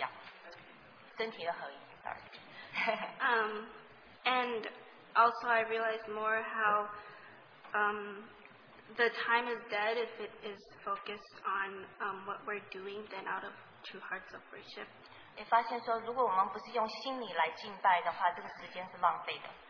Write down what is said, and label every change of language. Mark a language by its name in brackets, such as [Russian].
[Chinese] 我看到我们这个团体连在一起，是神把我们连在一起，而不是我们大家这里很会弹琴或怎么样，身体的合一。 [English] Sorry. And also, I realized more how the time is dead if it is focused on what we're doing than out of true hearts of worship. [Chinese] 也发现说，如果我们不是用心里来敬拜的话，这个时间是浪费的。